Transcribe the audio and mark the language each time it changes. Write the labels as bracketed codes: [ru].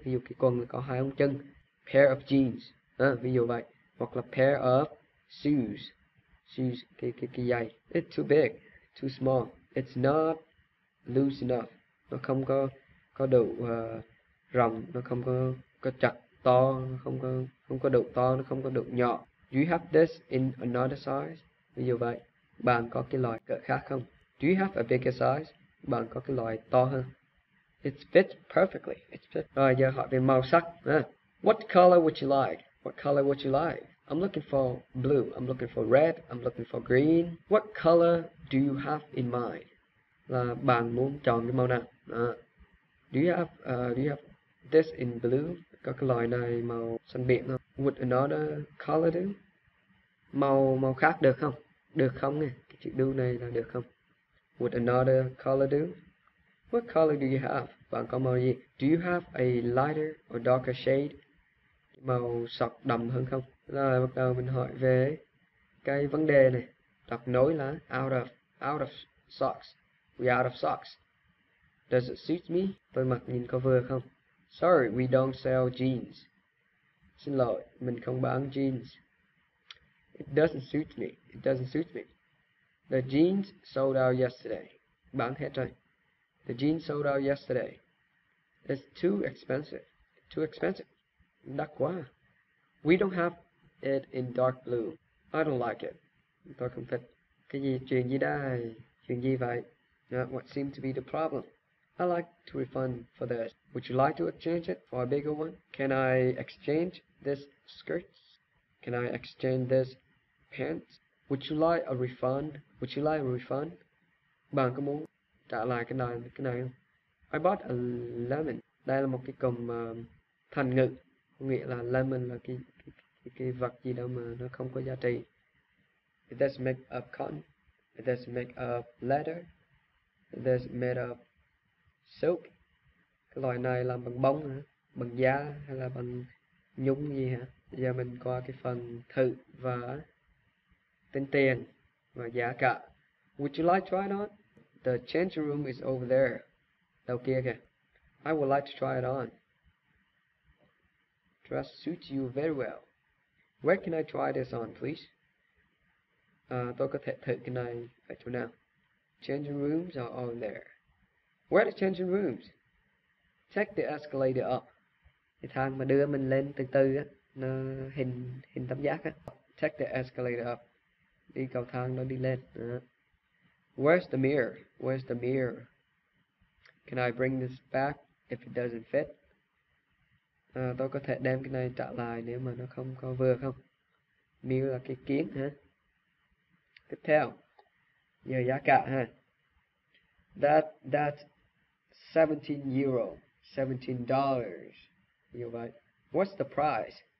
[vi] Ví dụ cái quần là có hai ống chân. [en] Pair of jeans, [vi] à, ví dụ vậy, hoặc là [en] pair of shoes, [vi] shoes cái giày. [en] It's too big, too small. It's not loose enough. [vi] Nó không có đủ rộng, nó không có chặt to, nó không có đủ to, nó không có đủ nhỏ. [en] Do you have this in another size? [vi] Ví dụ vậy. Bạn có cái loại cỡ khác không? [en] Do you have a bigger size? [vi] Bạn có cái loại to hơn. [en] It fits perfectly. It fits. [vi] Rồi giờ hỏi về màu sắc. À. [en] What color would you like? What color would you like? I'm looking for blue. I'm looking for red. I'm looking for green. What color do you have in mind? [vi] Là bạn muốn chọn cái màu nào? Đó. [en] Do you have this in blue? [vi] Có cái loại này màu xanh biển không? [en] Would another color do? [vi] Màu màu khác được không? Được không nè. Cái chữ do này là được không? [en] Would another color do? What color do you have? [vi] Bạn có màu gì? [en] Do you have a lighter or darker shade? [vi] Màu sọc đậm hơn không? Rồi bắt đầu mình hỏi về cái vấn đề này. Đọc nối là [en] out of socks. We out of socks. Does it suit me? [vi] Tôi mặc nhìn có vừa không? [en] Sorry, we don't sell jeans. [vi] Xin lỗi, mình không bán jeans. [en] It doesn't suit me. The jeans sold out yesterday. [vi] Bán hết rồi. [en] The jeans sold out yesterday. It's too expensive. [vi] Đắt quá. [en] We don't have it in dark blue. I don't like it. [vi] Tôi không thích. Cái gì, chuyện gì đây? Chuyện gì vậy? [en] What seems to be the problem? I'd like to refund for this. Would you like to exchange it for a bigger one? Can I exchange this skirt? Can I exchange this pants? Would you like a refund? Would you like a refund? [vi] Bạn có muốn trả lại cái này không? [en] I bought a lemon. [vi] Đây là một cái cụm thành ngữ, có nghĩa là lemon là cái vật gì đó mà nó không có giá trị. [en] It is made of cotton. It is made of leather. It is made of silk. [vi] Cái loại này làm bằng bông hả? Bằng da hay là bằng nhung gì hả? Giờ mình qua cái phần thử và tính tiền và giá cả. [en] Would you like to try it on? The change room is over there. [vi] Đầu kia kìa. [en] I would like to try it on. Dress suits you very well. Where can I try this on, please? [vi] Tôi có thể thử cái này ở chỗ nào? [en] Changing rooms are over there. Where are the changing rooms? Take the escalator up. [vi] Cái thang mà đưa mình lên từ từ á, nó hình hình tam giác á. [en] Take the escalator up. [vi] Đi cầu thang nó đi lên. [en] Where's the mirror? Where's the mirror? Can I bring this back if it doesn't fit? [vi] Tôi có thể đem cái này trả lại nếu mà nó không có vừa không? Mirror là cái kính hả? Tiếp theo. Giờ giá cả ha. [en] That 17 euro. $17. [vi] Như vậy. [en] What's the price?